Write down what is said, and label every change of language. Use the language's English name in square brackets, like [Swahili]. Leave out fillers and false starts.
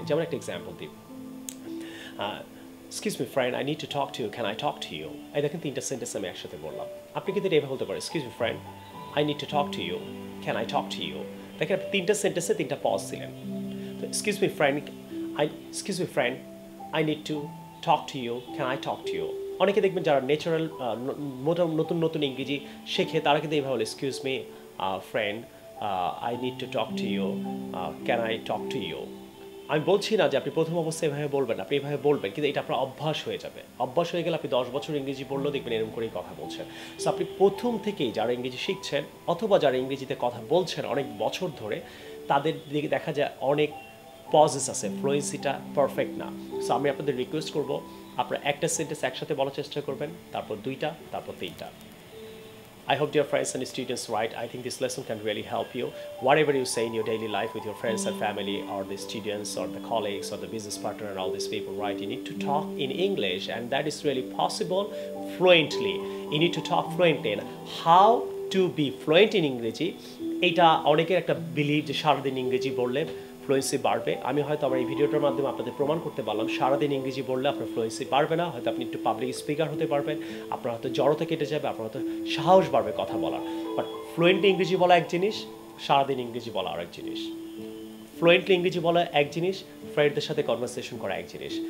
[Bangla] যেমন একটা এক্সাম্পল দিই, [English] excuse me friend I need to talk to you, [Bangla] can I talk to you, এই দেখেন তিনটা সেন্টেন্স আমি একসাথে বললাম, আপনি কিন্তু এভাবে বলতে পারেন, [English] excuse me friend I need to talk to you, [Bangla] can I talk to you, দেখেন তিনটা সেন্টেন্সে তিনটা পজ দিলেন, [English] excuse me friend excuse me friend, I need to talk to you, can I talk to you? [Bangla] অনেকে দেখবেন যারা natural নতুন নতুন ইংরেজি শেখে তারা কিন্তু এইভাবে বলে [English] excuse me friend I need to talk to you [Bangla] can I talk to you. আমি বলছি না যে আপনি প্রথম অবস্থায় এভাবে বলবেন, আপনি এভাবে বলবেন কিন্তু এটা আপনার অভ্যাস হয়ে যাবে, অভ্যাস হয়ে গেলে আপনি 10 বছর ইংরেজি বললেও দেখবেন এরকম করেই কথা বলছেন। সো আপনি প্রথম থেকেই যারা ইংরেজি শিখছেন অথবা যারা ইংরেজিতে কথা বলছেন অনেক বছর ধরে তাদের দিকে দেখা যায় অনেক পজেস আছে, ফ্লুয়েন্সিটা পারফেক্ট না। সো আমি আপনাদের রিকোয়েস্ট করবো আপনারা একটা সেন্টেন্স একসাথে বলার চেষ্টা করবেন, তারপর দুইটা, তারপর তিনটা। [English] I hope your friends and students write. I think this lesson can really help you. Whatever you say in your daily life with your friends and family or the students or the colleagues or the business partner and all these people, right? You need to talk in English and that is really possible fluently. You need to talk fluently. How to be fluent in English? [Bangla] Eta onekei ekta believe je shara din ingreji bolle fluency বাড়বে। আমি হয়তো আমার এই ভিডিওটার মাধ্যমে আপনাদের প্রমাণ করতে পারলাম সারাদিন ইংরেজি বললে আপনার ফ্লুয়েন্সি বাড়বে না, হয়তো আপনি একটু পাবলিক স্পিকার হতে পারবেন, আপনার হয়তো জড়তা কেটে যাবে, আপনার হয়তো সাহস বাড়বে কথা বলার। বাট ফ্লুয়েন্টলি ইংরেজি বলা এক জিনিস, সারাদিন ইংরেজি বলা আর এক জিনিস, ফ্লুয়েন্টলি ইংরেজি বলা এক জিনিস, ফ্রেন্ডদের সাথে কনভারসেশন করা এক জিনিস।